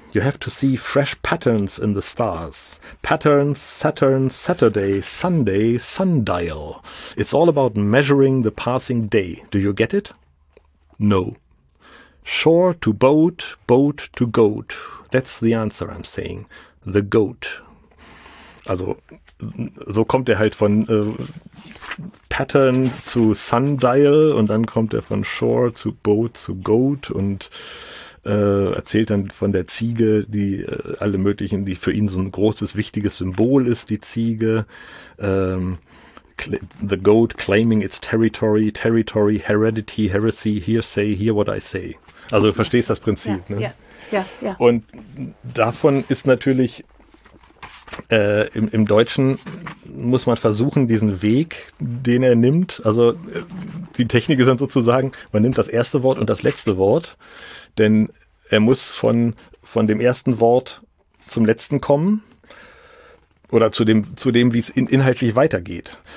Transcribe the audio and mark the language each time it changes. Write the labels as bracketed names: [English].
[English] You have to see fresh patterns in the stars. Patterns, Saturn, Saturday, Sunday, sundial. It's all about measuring the passing day. Do you get it? No. Shore to boat, boat to goat. That's the answer I'm saying. The goat. [German] Also, so kommt er halt von Pattern zu Sundial und dann kommt er von Shore zu Boat zu Goat und erzählt dann von der Ziege, die alle möglichen, die für ihn so ein großes, wichtiges Symbol ist, die Ziege. [English] The goat claiming its territory, territory, heredity, heresy, hearsay, hear what I say. [German] Also du verstehst das Prinzip. Ja, ne? ja. Und davon ist natürlich im Deutschen muss man versuchen, diesen Weg, den er nimmt, also die Technik ist dann sozusagen, man nimmt das erste Wort und das letzte Wort, denn er muss von dem ersten Wort zum letzten kommen oder zu dem, wie es inhaltlich weitergeht.